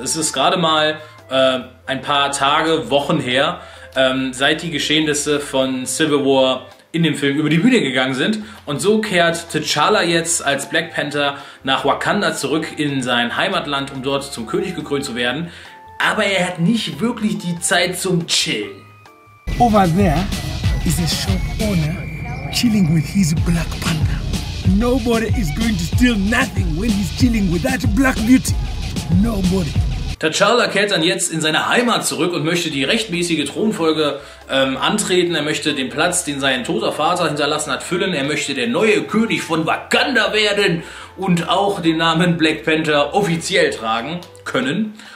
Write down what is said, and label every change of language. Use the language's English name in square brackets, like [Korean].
[German] Es ist gerade mal ein paar Tage, Wochen her, seit die Geschehnisse von Civil War in dem Film über die Bühne gegangen sind. Und so kehrt T'Challa jetzt als Black Panther nach Wakanda zurück in sein Heimatland, um dort zum König gekrönt zu werden. Aber er hat nicht wirklich die Zeit zum Chillen. [English] Over there is a shop owner chilling with his Black Panther. Nobody is going to steal nothing when he's chilling with that Black Beauty. Nobody. [German] T'Challa kehrt dann jetzt in seine Heimat zurück und möchte die rechtmäßige Thronfolge antreten. Er möchte den Platz, den sein toter Vater hinterlassen hat, füllen. Er möchte der neue König von Wakanda werden und auch den Namen Black Panther offiziell tragen können.